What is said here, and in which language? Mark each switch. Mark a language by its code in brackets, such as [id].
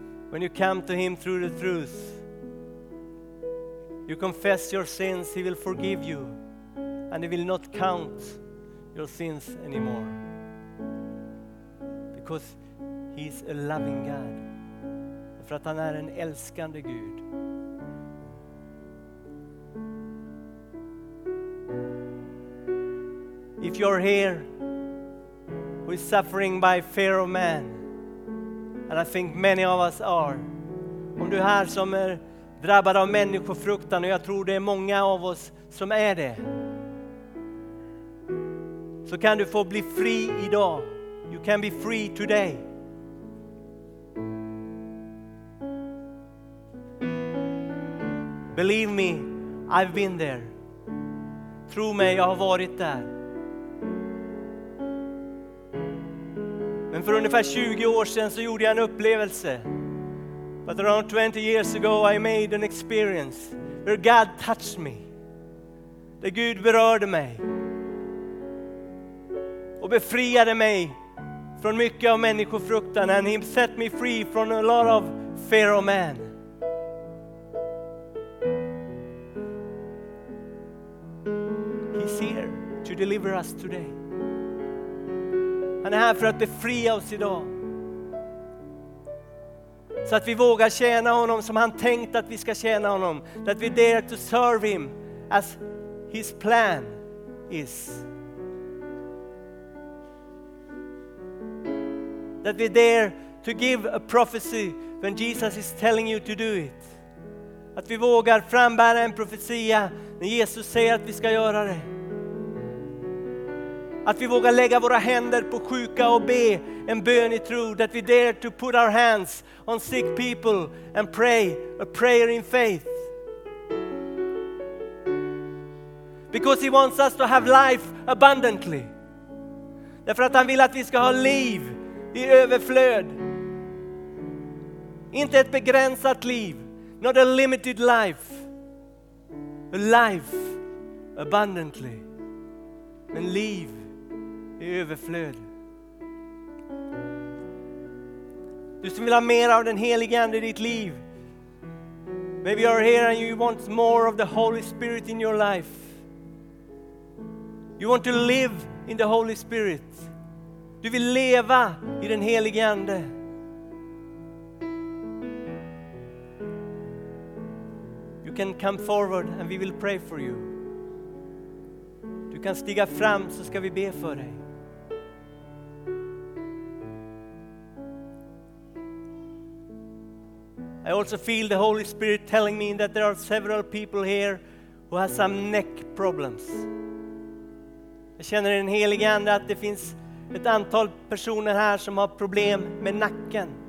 [en] When you come to him through the truth, you confess your sins, he will forgive you, and he will not count your sins anymore, because he is a loving God. [sv] För att han är en älskande Gud. [en] If you're here who is suffering by fear of man, and I think many of us are, [sv] om du är här som är drabbad av människofruktan, och jag tror det är många av oss som är det, så kan du få bli fri idag. [en] You can be free today. Believe me, I've been there. [sv] Tro mig, jag har varit där. Men för ungefär 20 år sedan så gjorde jag en upplevelse. [en] But around 20 years ago I made an experience where God touched me. [sv] Där Gud berörde mig. Och befriade mig från mycket av människofruktan. [en] And he set me free from a lot of fear of man. He's here to deliver us today. [sv] Han är här för att befria oss idag. Så att vi vågar tjäna honom som han tänkt att vi ska tjäna honom. [en] That we dare to serve him as his plan is. That we dare to give a prophecy when Jesus is telling you to do it. [sv] Att vi vågar frambära en profetia när Jesus säger att vi ska göra det. Att vi vågar lägga våra händer på sjuka och be en bön i tro. [en] That we dare to put our hands on sick people and pray a prayer in faith. Because he wants us to have life abundantly. [sv] Därför att han vill att vi ska ha liv i överflöd. Inte ett begränsat liv. [en] Not a limited life. A life abundantly. [sv] Men liv i överflöd. Du som vill ha mer av den helige ande i ditt liv. [en] Maybe you are here and you want more of the Holy Spirit in your life. You want to live in the Holy Spirit. [sv] Du vill leva i den helige ande. [en] You can come forward and we will pray for you. [sv] Du kan stiga fram så ska vi be för dig. [en] I also feel the Holy Spirit telling me that there are several people here who have some neck problems. [sv] Jag känner en helig ande att det finns ett antal personer här som har problem med nacken.